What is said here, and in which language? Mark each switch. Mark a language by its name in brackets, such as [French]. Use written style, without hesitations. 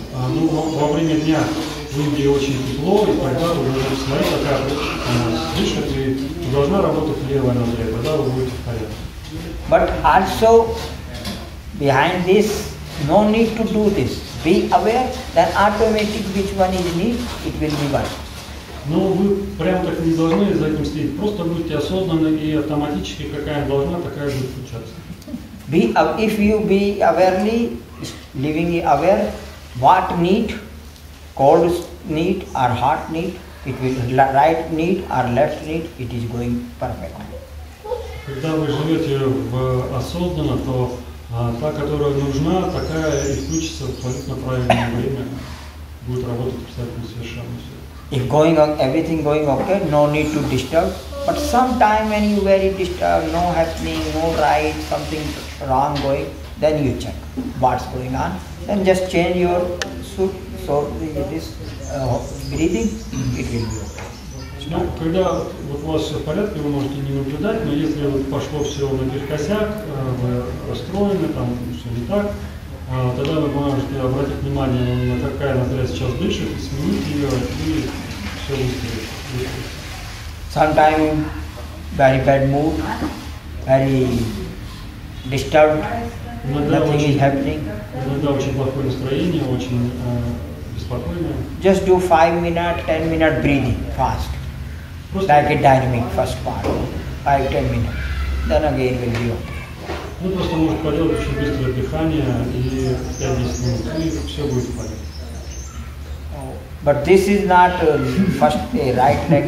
[Russian] Ну, во время дня в Индии очень тепло, и тогда вы должны смотреть, какая дышит, и должна работать левая ноздря, тогда вы будете в порядке. [English] But also behind this, no need to do this. Be aware, then automatic which one is need, it will be one. [Russian] Но вы прям так не должны за этим следить. Просто будьте осознаны и автоматически, какая должна, такая будет случаться. [English] Be, if you be awarely, living aware, what need, cold need or hot need, it will right need or left need, it is going perfect. [Russian] Когда вы живете в осознанно, то та, которая нужна, такая и включится в абсолютно правильное время, будет работать абсолютно совершенно все. [English] If going on, everything going okay, no need to disturb. But sometime when you very disturbed, no happening, no right, something wrong going, then you check what's going on. Then just change your suit, so it is breathing, it will be okay. [Russian] Ну, когда вот у вас все в порядке, вы можете не наблюдать, но если вот пошло все наперекосяк, вы расстроены, там все не так, тогда вы можете обратить внимание на какая ноздря сейчас дышит, и сменить ее, и все выстрелит. [English] Sometimes very bad mood, very disturbed, [Russian] иногда [English] nothing [Russian] очень, [English] is happening. [Russian] Иногда очень плохое настроение, очень беспокойное. [English] Just do 5 minutes, 10 minutes breathing fast. [Russian] Просто [English] like a dynamic first part, 5-10 minutes, then again will be okay. [Russian] Ну просто может поделать очень быстрое дыхание и 5-10 минут, и все будет в порядке. [English] But this is not first day, right leg